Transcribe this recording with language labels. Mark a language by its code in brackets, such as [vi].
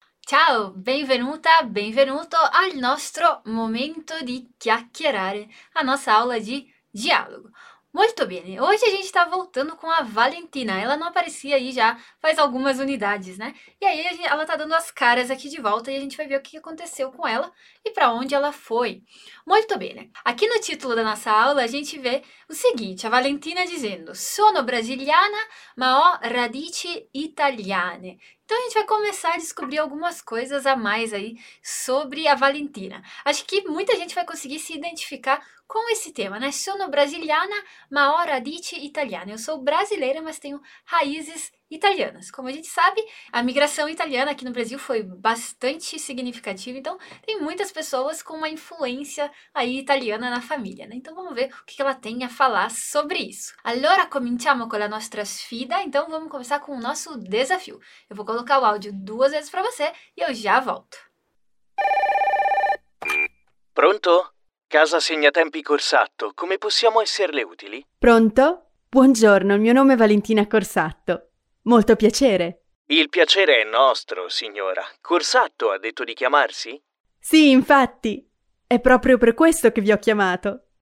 [it] Ciao, benvenuta, benvenuto al nostro momento di chiacchierare, la nostra aula di dialogo. [pt] Molto bene, hoje a gente está voltando com a Valentina. Ela não aparecia aí já faz algumas unidades, né? E aí ela tá dando as caras aqui de volta e a gente vai ver o que aconteceu com ela e para onde ela foi. Muito bem, né? Aqui no título da nossa aula a gente vê o seguinte: a Valentina dizendo: [it] Sono brasiliana, ma ho radici italiane. [pt] Então a gente vai começar a descobrir algumas coisas a mais aí sobre a Valentina. Acho que muita gente vai conseguir se identificar com esse tema, né? [it] Sono brasiliana, ma ho radici italiane. [pt] Eu sou brasileira, mas tenho raízes italianas. Como a gente sabe, a migração italiana aqui no Brasil foi bastante significativa, então tem muitas pessoas com uma influência aí italiana na família, né? Então vamos ver o que ela tem a falar sobre isso. [it] Allora, cominciamo con la nostra sfida. [pt] Então vamos começar com o nosso desafio. Eu vou colocar o áudio duas vezes para você e eu já volto. [it] Pronto? Casa Segnatempi Corsatto, come possiamo esserle utili? Pronto? Buongiorno, il mio nome è Valentina Corsatto. Molto piacere. Il piacere è nostro, signora. Corsatto ha detto di chiamarsi? Sì, infatti, è proprio per questo che vi ho chiamato.